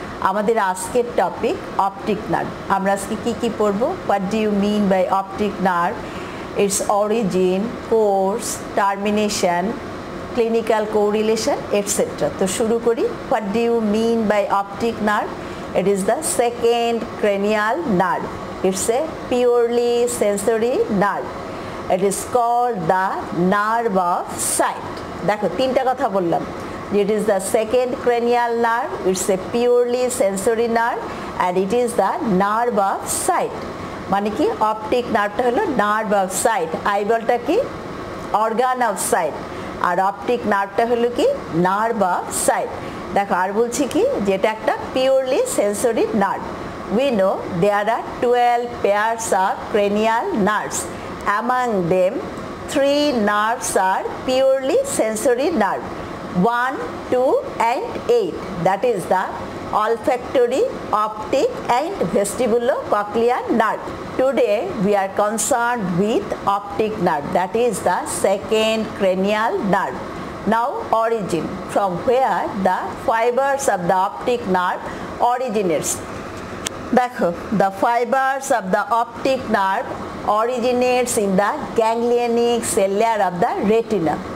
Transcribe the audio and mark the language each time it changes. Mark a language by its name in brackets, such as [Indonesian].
[Bangla] আমাদের আজকের topic optic nerve. আমরা আজকে কী কী পড়বো, [English] What do you mean by optic nerve, its origin, course, termination, clinical correlation etcetera. [Bangla] তো শুরু করি, [English] What do you mean by optic nerve? It is the second cranial nerve, it's a purely sensory nerve, it is called the nerve of sight. [Bangla] দেখো তিনটা কথা বললাম, [English] it is the second cranial nerve, it's a purely sensory nerve and it is the nerve of sight. [Bangla] মানে কি optic নার্ভটা হলো nerve of sight, আইবলটা কি organ of sight, আর optic নার্ভটা হলো কি nerve of sight। দেখো আর বলছি কি, যেটা একটা [English] Purely sensory nerve, we know there are 12 pairs of cranial nerves, among them 3 nerves are purely sensory nerve, 1, 2, and 8, that is the olfactory, optic and vestibular cochlear nerve. Today we are concerned with optic nerve, that is the second cranial nerve. Now origin, from where the fibers of the optic nerve originates. Dekho, the fibers of the optic nerve originates in the ganglionic cell layer of the retina.